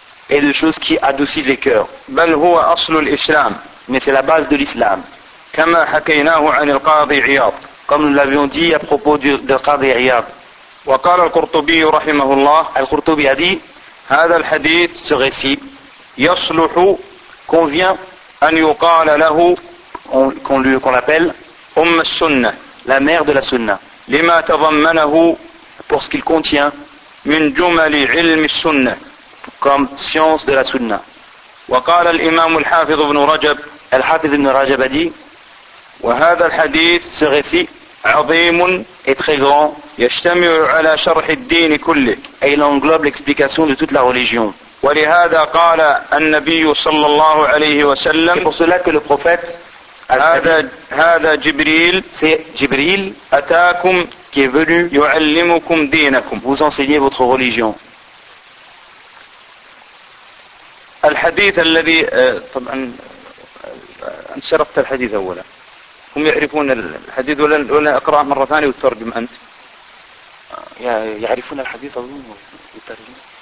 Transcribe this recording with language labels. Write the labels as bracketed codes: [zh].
[fr] Et les choses qui adoucit les cœurs. [ar] بل هو أصل الإسلام. [fr] Mais c'est la base de l'islam. [ar] كما حكيناه عن القاضي عياض. [fr] Comme nous l'avions dit à propos du Qadi Iyad. [ar] وقال القرطبي رحمه الله. [fr] القرطبي a dit. [ar] هذا الحديث. [fr] Ce récit. [ar] يصلح. [fr] Convient. [ar] أن يقال له. [fr] Qu'on l'appelle. [ar] أم السنة. [fr] La mère de la Sunna. [ar] لما تضمنه. [fr] Pour ce qu'il contient. [ar] من جمل علم السنة. [fr] Comme science de la Sunna. [ar] وقال الإمام الحافظ ابن رجب. [fr] الحافظ ابن رجب a dit. [ar] وهذا الحديث. [fr] Ce récit. [ar] عظيم. [fr] Est très grand. [ar] يجتمع على شرح الدين كله. [fr] Et il englobe l'explication de toute la religion. [ar] ولهذا قال النبي صلى الله عليه وسلم. [fr] Et pour cela que le prophète. [ar] هذا جبريل. [fr] C'est جبريل. [ar] أتاكم. [fr] Qui est venu. [ar] يعلمكم دينكم. [fr] Vous enseigner votre religion. [ar] الحديث الذي طبعا انشرفت الحديث اولا هم يعرفون الحديث ولا اقراه مره ثانيه وترجم انت يعرفون الحديث اظن وترجم